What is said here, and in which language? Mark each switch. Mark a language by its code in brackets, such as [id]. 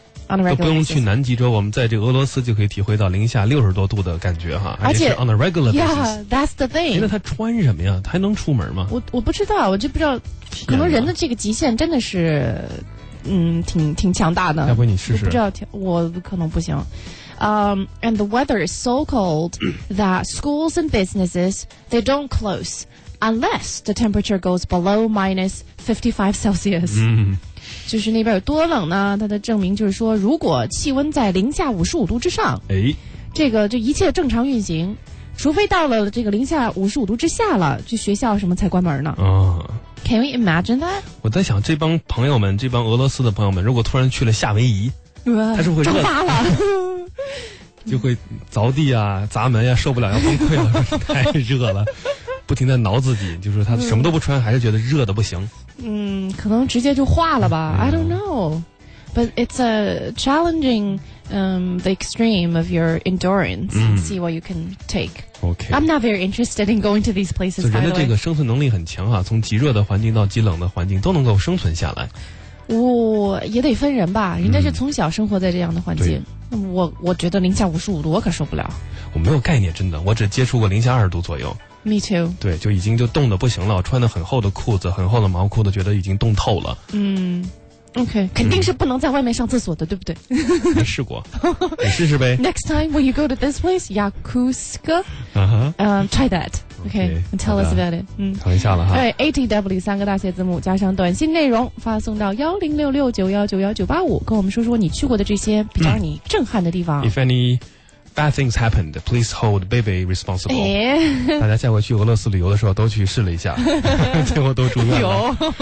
[zh] 都不用去南极洲，我们在这俄罗斯就可以体会到零下60多度的感觉哈，而且 [en] 是 on a regular basis. Yeah, that's the thing. [zh] 那他穿什么呀？他还能出门吗？我不知道，我就不知道，可能人的这个极限真的是。挺强大的，要不你试试？不知道，我可能不行。 [en] And the weather is so cold that schools and businesses they don't close unless the temperature goes below minus 55 Celsius. [zh] 嗯，就是那边有多冷呢？它的证明就是说，如果气温在-55度之上，哎，这个就一切正常运行，除非到了这个-55度之下了，就学校什么才关门呢？啊。 [en] Can we imagine that? [zh] 我在想这帮朋友们，这帮俄罗斯的朋友们，如果突然去了夏威夷，他是会蒸发了，就会凿地啊、砸门啊，受不了要崩溃了，太热了，不停地挠自己，就是他什么都不穿，还是觉得热的不行。嗯，可能直接就化了吧。 [en] I don't know, but it's a challenging, the extreme of your endurance. See what you can take. Okay. I'm not very interested in going to these places. [zh] 人的这个生存能力很强啊，从极热的环境到极冷的环境都能够生存下来。我、也得分人吧，人家是从小生活在这样的环境。我觉得-55度我可受不了。我没有概念，真的，我只接触过-20度左右。 [en] Me too. [zh] 对，就已经就冻得不行了，穿得很厚的裤子，很厚的毛裤子，觉得已经冻透了。嗯 ，OK， 肯定是不能在外面上厕所的，对不对？没试过，你试试呗。 [en] Next time when you go to this place, Yakutsk. Try that. Okay, tell us about it. [zh] 等一下了哈。对 ，ATW 三个大写字母加上短信内容发送到10669191985，跟我们说说你去过的这些比较让你震撼的地方。 [en] If any bad things happened, please hold baby responsible.、 [zh] 大家下回去俄罗斯旅游的时候都去试了一下，结果都住院了。